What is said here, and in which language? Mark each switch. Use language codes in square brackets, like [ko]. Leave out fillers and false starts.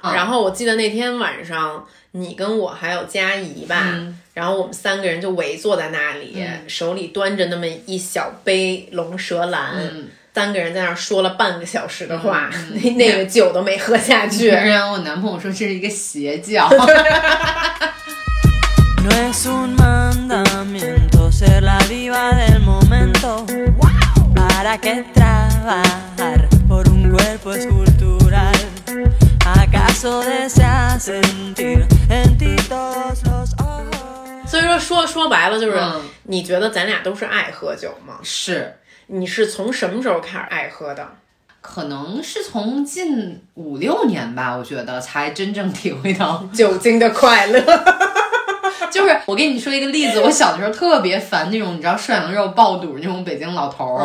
[zh] 然后我记得那天晚上你跟我还有佳怡吧，嗯，然后我们三个人就围坐在那里，嗯，手里端着那么一小杯龙舌兰，嗯，三个人在那说了半个小时的话，嗯，那个酒都没喝下去。然后我男朋友说这是一个邪教。 [es] No es un mandamiento ser la diva del momento para que trabajar por un cuerpo escultural acaso deseas sentir en ti todos los ojos。 [zh] 所以说说白了就是，嗯，你觉得咱俩都是爱喝酒吗？是。你是从什么时候开始爱喝的？可能是从近五六年吧，我觉得才真正体会到酒精的快乐。就是我跟你说一个例子，我小的时候特别烦那种你知道涮羊肉爆肚那种北京老头，